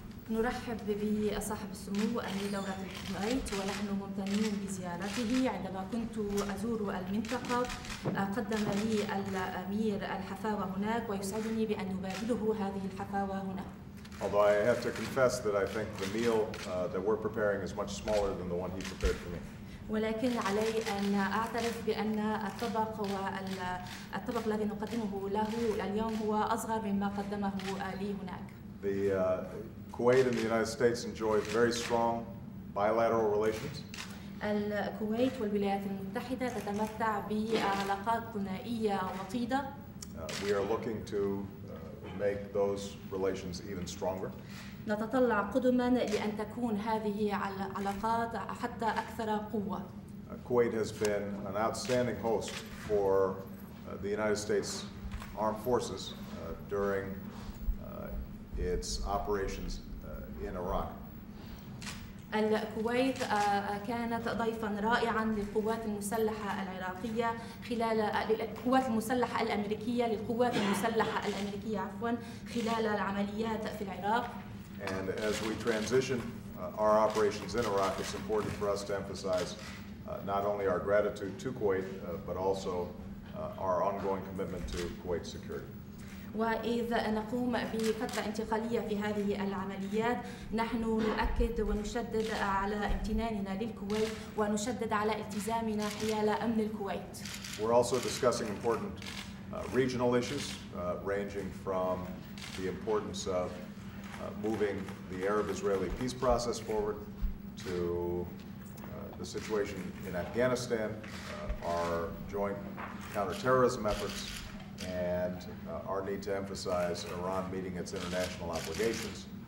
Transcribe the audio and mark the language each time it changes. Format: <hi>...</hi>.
<ar>نرحب بصاحب السمو أمير دولة الكويت ونحن ممتنين بزيارته عندما كنت أزور المنطقة قدم لي الأمير الحفاوة هناك ويسعدني بأن أبادله هذه الحفاوة هنا.</ar> <en>Although I have to confess that I think the meal that we're preparing is much smaller than the one he prepared for me.</en> <ar>ولكن علي أن أعترف بأن الطبق والطبق الذي نقدمه له اليوم هو أصغر مما قدمه لي هناك.</ar> <en>Kuwait and the United States enjoy very strong bilateral relations.</en> <ar>الكويت والولايات المتحدة تتمتع بعلاقات ثنائية وطيدة.</ar> <en>We are looking to make those relations even stronger.</en> <ar>نتطلع قدما لأن تكون هذه العلاقات حتى أكثر قوة.</ar> <en>Kuwait has been an outstanding host for the United States Armed Forces during its operations in Iraq.</en> <ar>الكويت كانت ضيفا رائعا للقوات المسلحة العراقية خلال القوات المسلحة الأمريكية للقوات المسلحة الأمريكية عفوا خلال العمليات في العراق.</ar> <en>And as we transition our operations in Iraq, it's important for us to emphasize not only our gratitude to Kuwait, but also our ongoing commitment to Kuwait's security.</en> <ar>وإذا نقوم بفترة انتقالية في هذه العمليات نحن نؤكد ونشدد على امتناننا للكويت ونشدد على التزامنا حيال أمن الكويت.</ar> <en>We're also discussing important regional issues ranging from the importance of moving the Arab-Israeli peace process forward to the situation in Afghanistan, our joint counterterrorism efforts, and our need to emphasize Iran meeting its international obligations.</en>